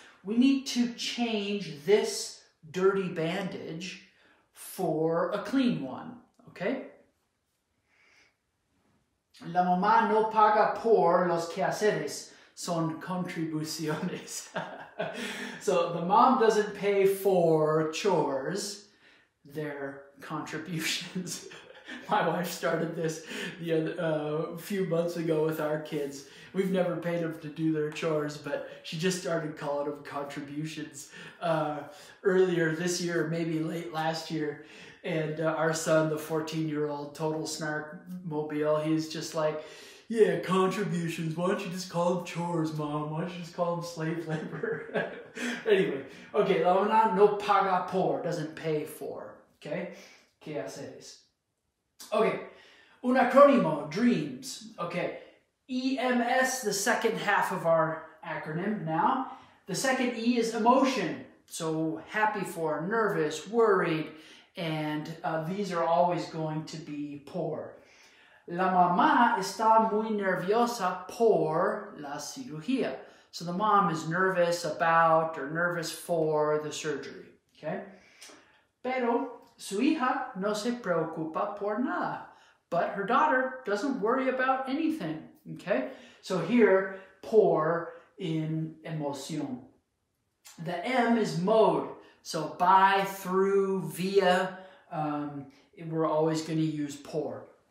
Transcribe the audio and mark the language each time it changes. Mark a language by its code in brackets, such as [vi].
[en] We need to change this dirty bandage for a clean one, okay? [es] La mamá no paga por los quehaceres, son contribuciones. [en] So the mom doesn't pay for chores, they're contributions. My wife started this the few months ago with our kids. We've never paid them to do their chores, but she just started calling them contributions earlier this year, maybe late last year. And our son, the 14-year-old, total snark mobile, he's just like, yeah, contributions. Why don't you just call them chores, Mom? Why don't you just call them slave labor? [es] Anyway, okay, la mamá no paga por, [en] doesn't pay for, [es] okay? ¿Qué haces? [en] Okay, [es] un acrónimo, [en] DREEMS. Okay, EMS, the second half of our acronym now. The second E is emotion. So happy for, nervous, worried, and these are always going to be por. [es] La mamá está muy nerviosa por la cirugía. [en] So the mom is nervous about or nervous for the surgery. [es] Okay, pero su hija no se preocupa por nada. [en] But her daughter doesn't worry about anything, okay? So here, por in emoción. The M is mode. So by, through, via, we're always gonna use por.